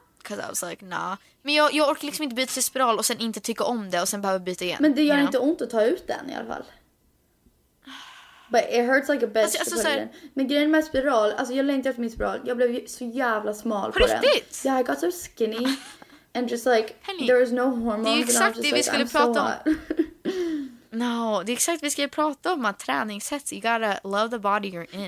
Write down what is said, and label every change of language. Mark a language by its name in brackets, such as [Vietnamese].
[English] Because I was like, nah. [Swedish] Men jag orkar liksom inte byta till spiral och sen inte tycka om det och sen behöver byta igen. Men det gör inte ont att ta ut den i alla fall. [English] But it hurts like a bitch [Swedish] alltså, [English] to put it in. [Swedish] Men grejen med spiral, alltså jag längtar efter min spiral. Jag blev så jävla smal på den. Riktigt? [English] Yeah, I got so skinny. And just like, Penny, there is no hormone. [Swedish] Det är exakt det vi skulle prata om. No, det är exakt vi ska prata om, att träningssätt, [English] you gotta love the body you're in.